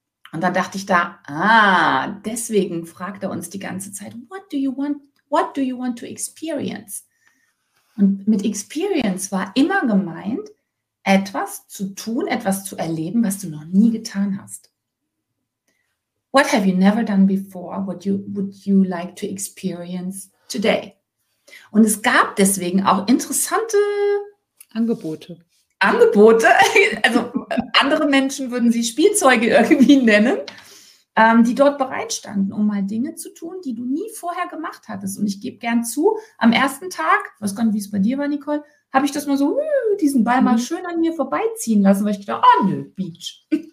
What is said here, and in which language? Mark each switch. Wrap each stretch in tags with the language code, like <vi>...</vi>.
<de>Und dann dachte ich da, deswegen fragt er uns die ganze Zeit,</de> <en>what do you want to experience?</en> <de>Und mit experience war immer gemeint, etwas zu tun, etwas zu erleben, was du noch nie getan hast.</de> <en>What have you never done before? What would you like to experience today?</en> <de>Und es gab deswegen auch interessante Angebote, also andere Menschen würden sie Spielzeuge irgendwie nennen, die dort bereitstanden, um mal Dinge zu tun, die du nie vorher gemacht hattest. Und ich gebe gern zu, am ersten Tag, ich weiß gar nicht, wie es bei dir war, Nicole, habe ich das mal so, diesen Ball mal schön an mir vorbeiziehen lassen, weil ich dachte, oh nö, Beach.</de>